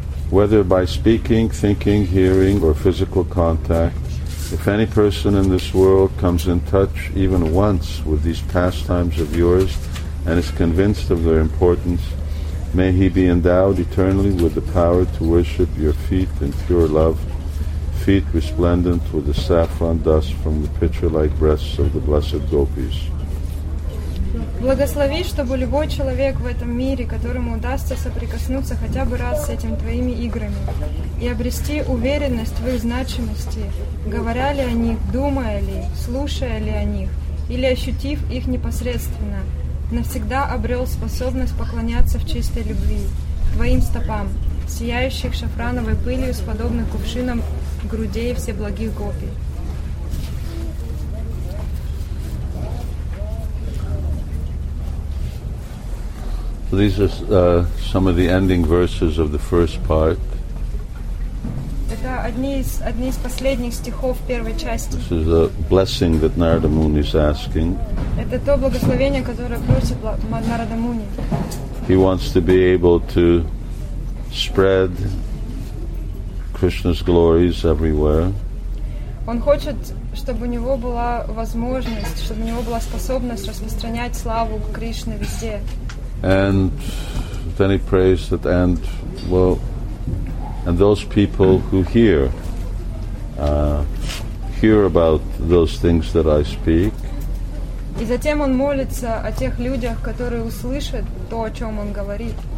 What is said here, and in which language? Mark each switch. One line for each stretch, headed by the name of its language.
English: Whether by speaking, thinking, hearing, or physical contact, if any person in this world comes in touch even once with these pastimes of yours and is convinced of their importance, may he be endowed eternally with the power to worship your feet in pure love, feet resplendent with the saffron dust from the pitcher-like breasts of the blessed gopis.
Russian: Благослови, чтобы любой человек в этом мире, которому удастся соприкоснуться хотя бы раз с этим твоими играми и обрести уверенность в их значимости, говоря ли о них, думая ли, слушая ли о них, или ощутив их непосредственно, навсегда обрел способность поклоняться в чистой любви твоим стопам, сияющих шафрановой пылью с подобным кувшинам грудей всеблагих гопи.
English: These are some of the ending verses of the first part.
Russian: Это одни из последних стихов первой части.
English: This is a blessing that Narada Muni is asking.
Russian: Это то благословение, которое просит Нарада Муни.
English: He wants to be able to spread Krishna's glories everywhere.
Russian: Он хочет, чтобы у него была возможность, чтобы у него была способность распространять славу Кришны везде.
English: And then he prays that, and well, and those people who hear about those things that I speak.
Russian: И затем он молится о тех людях, которые услышат то, о чем он говорит.